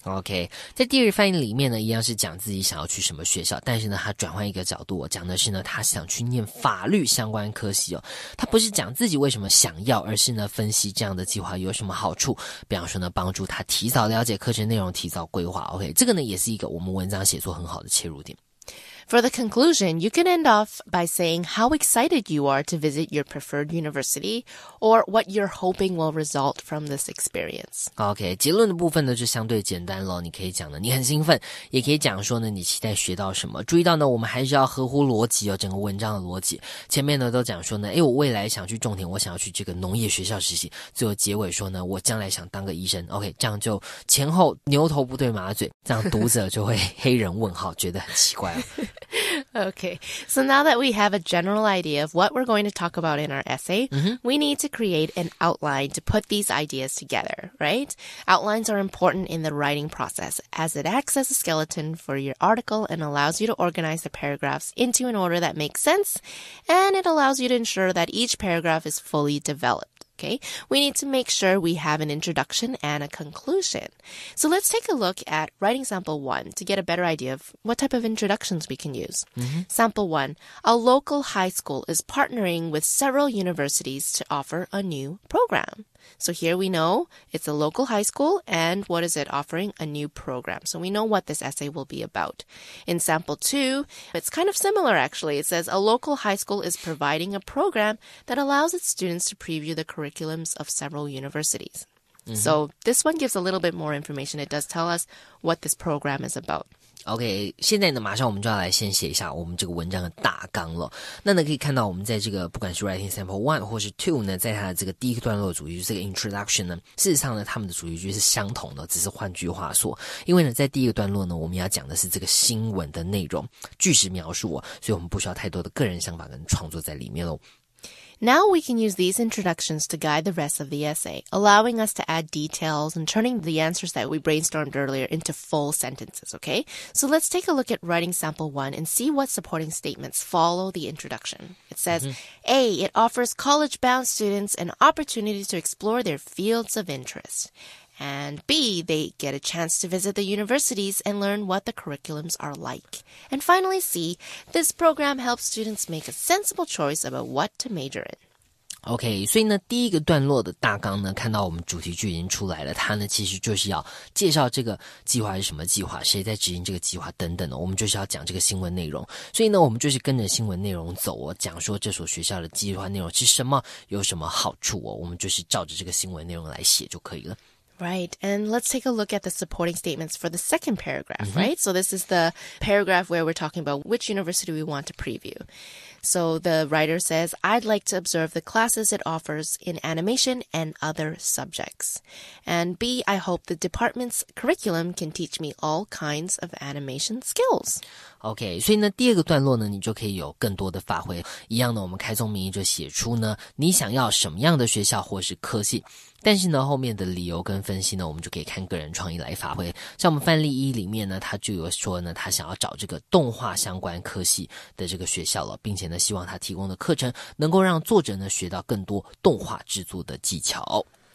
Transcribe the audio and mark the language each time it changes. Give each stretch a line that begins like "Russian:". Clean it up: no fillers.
Chinese: Okay, 在第二翻译里面呢，一样是讲自己想要去什么学校，但是呢，他转换一个角度，讲的是呢，他想去念法律相关科系哦。他不是讲自己为什么想要，而是呢，分析这样的计划有什么好处，比方说呢，帮助他提早了解课程内容，提早规划。 Okay, 这个呢，也是一个我们文章写作很好的切入点。
English: For the conclusion, you can end off by saying how excited you are to visit your preferred university or what you're hoping will result from this experience.
Chinese: Okay, 结论的部分呢就相对简单了。你可以讲呢，你很兴奋，也可以讲说呢，你期待学到什么。注意到呢，我们还是要合乎逻辑哦，整个文章的逻辑。前面呢都讲说呢，诶，我未来想去种田，我想要去这个农业学校实习。最后结尾说呢，我将来想当个医生。Okay, 这样就前后牛头不对马嘴，这样读者就会黑人问号，觉得很奇怪哦。
English: Okay, so now that we have a general idea of what we're going to talk about in our essay,、 mm-hmm. we need to create an outline to put these ideas together, right? Outlines are important in the writing process as it acts as a skeleton for your article and allows you to organize the paragraphs into an order that makes sense, and it allows you to ensure that each paragraph is fully developed. Okay, we need to make sure we have an introduction and a conclusion. So let's take a look at writing sample one to get a better idea of what type of introductions we can use.、 Mm-hmm. Sample one, a local high school is partnering with several universities to offer a new program. So here we know it's a local high school and what is it offering? A new program. So we know what this essay will be about. In sample two, it's kind of similar actually. It says a local high school is providing a program that allows its students to preview the curriculums of several universities.、 Mm-hmm. So this one gives a little bit more information. It does tell us what this program is about.
Chinese: OK, 现在呢马上我们就要来先写一下我们这个文章的大纲了。那呢可以看到我们在这个不管是
English: writing sample
Chinese: 1或是2呢，在它的这个第一个段落的主题句这个 introduction 呢，事实上呢他们的主题句是相同的，只是换句话说。因为呢在第一个段落呢我们要讲的是这个新闻的内容句式描述哦，所以我们不需要太多的个人想法跟创作在里面咯。
English: Now we can use these introductions to guide the rest of the essay, allowing us to add details and turning the answers that we brainstormed earlier into full sentences, okay? So let's take a look at writing sample one and see what supporting statements follow the introduction. It says,、mm-hmm. A, it offers college-bound students an opportunity to explore their fields of interest. And B, they get a chance to visit the universities and learn what the curriculums are like. And finally, C, this program helps students make a sensible choice about what to major in.
Chinese: OK, 所以呢第一个段落的大纲呢看到我们主题句已经出来了，它呢其实就是要介绍这个计划是什么计划，谁在执行这个计划等等的，我们就是要讲这个新闻内容。所以呢我们就是跟着新闻内容走哦，讲说这所学校的计划内容是什么，有什么好处哦，我们就是照着这个新闻内容来写就可以了。
English: Right, and let's take a look at the supporting statements for the second paragraph, mm-hmm. right? So this is the paragraph where we're talking about which university we want to preview. So the writer says, I'd like to observe the classes it offers in animation and other subjects. And B, I hope the department's curriculum can teach me all kinds of animation skills.
Chinese: Okay, 所以呢第二个段落呢你就可以有更多的发挥。一样的我们开宗明义就写出呢你想要什么样的学校或是科系。但是呢后面的理由跟分析呢我们就可以看个人创意来发挥。像我们范例一里面呢他就有说呢他想要找这个动画相关科系的这个学校了，并且呢希望他提供的课程能够让作者呢学到更多动画制作的技巧。